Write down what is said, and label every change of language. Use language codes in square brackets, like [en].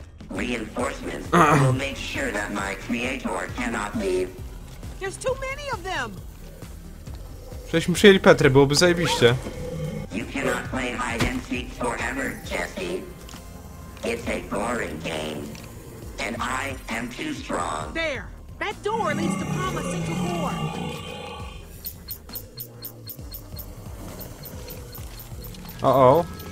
[en] Reinforcements will make sure that my creator cannot leave. There's too many of them. [pl] Żeśmy przyjęli Petrę, byłoby zajebiście. [en] You cannot play hide and seek forever, Jesse. It's a boring game. And I am too strong. There! That door leads to Pama's central core. Uh-oh.